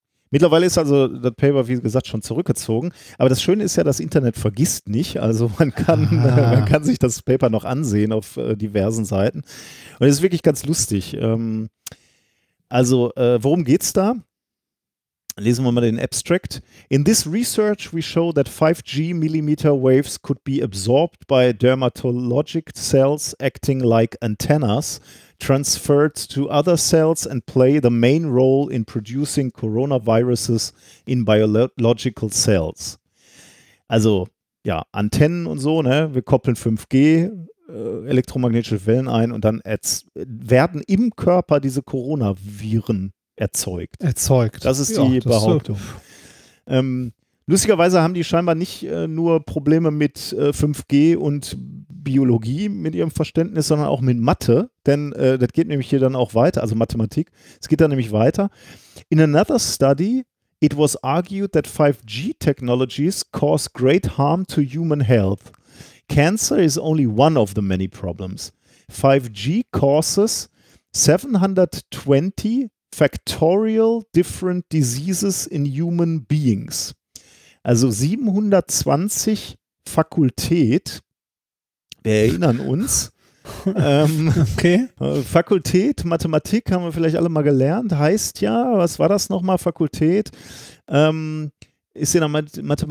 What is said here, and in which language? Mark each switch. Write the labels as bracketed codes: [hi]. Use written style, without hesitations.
[de] Mittlerweile ist also das Paper, wie gesagt, schon zurückgezogen. Aber das Schöne ist ja, das Internet vergisst nicht. Also man kann sich das Paper noch ansehen auf diversen Seiten. Und es ist wirklich ganz lustig. Worum geht's da? Lesen wir mal den Abstract. [en] In this research we show that 5G millimeter waves could be absorbed by dermatologic cells acting like antennas, transferred to other cells and play the main role in producing coronaviruses in biological cells. [de] Also, ja, Antennen und so, ne? Wir koppeln 5G, elektromagnetische Wellen ein und dann werden im Körper diese Coronaviren erzeugt. Das ist die Behauptung. Lustigerweise haben die scheinbar nicht nur Probleme mit 5G und Biologie mit ihrem Verständnis, sondern auch mit Mathe, denn das geht nämlich hier dann auch weiter, also Mathematik. Es geht dann nämlich weiter. [en] In another study, it was argued that 5G technologies cause great harm to human health. Cancer is only one of the many problems. 5G causes 720 factorial different diseases in human beings. [de] Also 720 Fakultät, wir erinnern uns. Okay. Fakultät, Mathematik haben wir vielleicht alle mal gelernt, heißt ja, was war das nochmal, Fakultät? Ist in der Mathematik